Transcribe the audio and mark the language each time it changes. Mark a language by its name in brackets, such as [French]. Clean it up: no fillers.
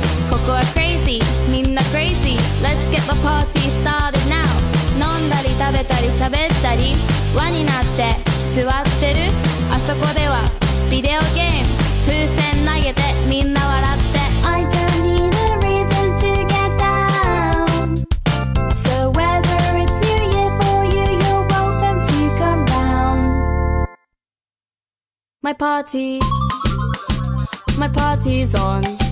[Japanese] ここはクレイジー、みんなクレイジー。 [English] Let's get the party started now. [Japanese] 飲んだり食べたり喋ったり、輪になって座ってる。あそこではビデオゲーム、風船投げてみんな笑って。 [English] I don't need a reason to get down. So whether it's New Year for you, you're welcome to come round. My party. My party's on.